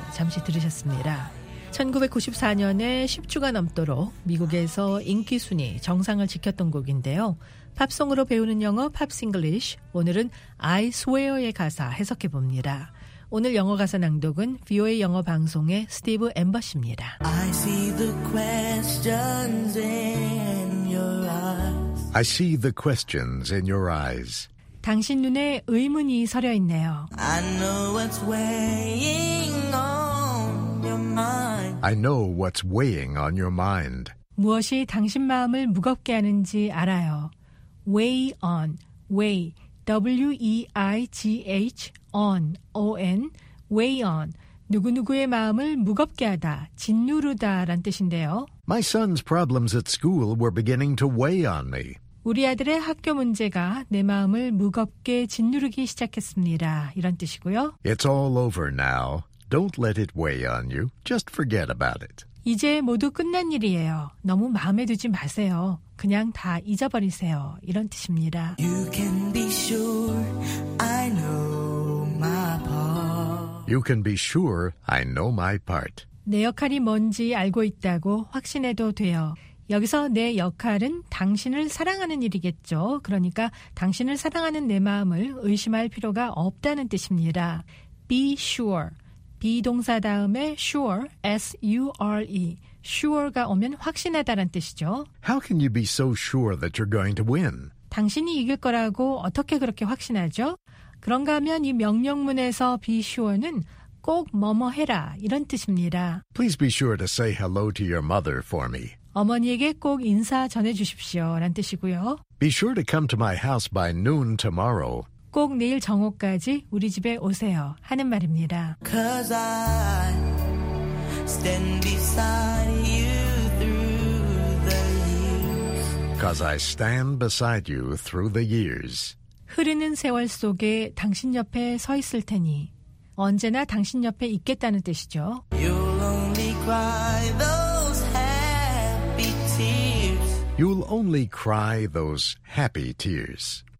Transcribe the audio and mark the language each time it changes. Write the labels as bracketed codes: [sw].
[ko] 잠시 들으셨습니다. 1994년에 10주가 넘도록 미국에서 인기 순위 정상을 지켰던 곡인데요. 팝송으로 배우는 영어 팝스 잉글리쉬, 오늘은 I Swear의 가사 해석해봅니다. 오늘 영어 가사 낭독은 VOA 영어 방송의 스티브 엠버시입니다. [en] I see the questions in your eyes. I see the questions in your eyes. [ko] 당신 눈에 의문이 서려 있네요. [en] I know what's weighing on your mind. I know what's weighing on your mind. [ko] 무엇이 당신 마음을 무겁게 하는지 알아요. Weigh on, weigh, W-E-I-G-H, on, O-N, weigh on, 누구누구의 마음을 무겁게 하다, 짓누르다 란 뜻인데요. [en] My son's problems at school were beginning to weigh on me. [ko] 우리 아들의 학교 문제가 내 마음을 무겁게 짓누르기 시작했습니다. 이런 뜻이고요. [en] It's all over now. Don't let it weigh on you. Just forget about it. [ko] 이제 모두 끝난 일이에요. 너무 마음에 두지 마세요. 그냥 다 잊어버리세요. 이런 뜻입니다. [en] You can be sure I know my part. You can be sure I know my part. [ko] 내 역할이 뭔지 알고 있다고 확신해도 돼요. 여기서 내 역할은 당신을 사랑하는 일이겠죠. 그러니까 당신을 사랑하는 내 마음을 의심할 필요가 없다는 뜻입니다. [en] Be sure. [ko] be 동사 다음에 sure, S-U-R-E. sure가 오면 확신하다란 뜻이죠. [en] How can you be so sure that you're going to win? [ko] 당신이 이길 거라고 어떻게 그렇게 확신하죠? 그런가 하면 이 명령문에서 be sure는 꼭 뭐뭐 해라 이런 뜻입니다. [en] Please be sure to say hello to your mother for me. [ko] 어머니에게 꼭 인사 전해주십시오란 뜻이고요. [en] Be sure to come to my house by noon tomorrow. [ko] 꼭 내일 정오까지 우리 집에 오세요 하는 말입니다. [en] Cause I stand beside you through the years. Cause I stand beside you through the years. [ko] 흐르는 세월 속에 당신 옆에 서 있을 테니 언제나 당신 옆에 있겠다는 뜻이죠. [en] You'll only cry those happy tears. You'll only cry those happy tears.